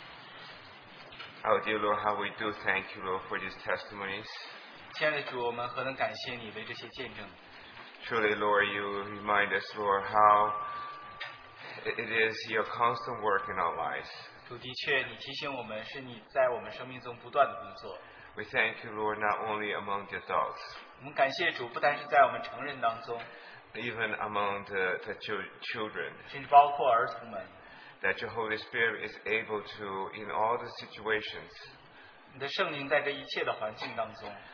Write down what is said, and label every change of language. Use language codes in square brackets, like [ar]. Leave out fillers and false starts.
[zh] 我们结束这段时间用祷告来结束。 [en] Oh dear Lord, how we do thank you, Lord, for these testimonies. [zh] 亲爱的主，我们何能感谢你为这些见证？ [en] Truly, Lord, you remind us, Lord, how it is your constant work in our lives. [zh] 主的确，你提醒我们，是你在我们生命中不断的工作。 [en] We thank you, Lord, not only among the adults. [zh] 我们感谢主，不单是在我们成人当中。 [en] Even among the children. [zh] 甚至包括儿童们。 [en] That your Holy Spirit is able to, in all the situations. [zh] 你的圣灵在这一切的环境当中。